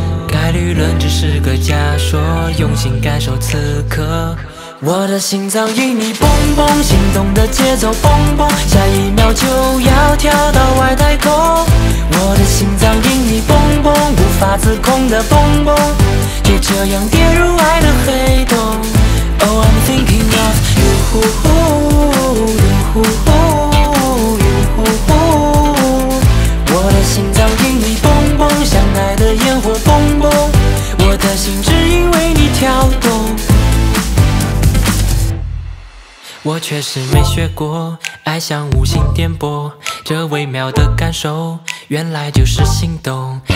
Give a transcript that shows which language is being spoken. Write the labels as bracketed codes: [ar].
[zh] 概率论只是个假说，用心感受此刻，我的心脏与你蹦蹦，心动的节奏蹦蹦，下一秒就要跳到外太空。我的心脏与你蹦蹦，无法自控的蹦蹦，就这样跌入爱的黑洞。 [en] Oh I'm thinking of you, you, you, you。 [zh] 我的心脏与你蹦蹦，相爱的烟火蹦蹦，我的心只因为你跳动。我确实没学过，爱像无心电波，这微妙的感受原来就是心动。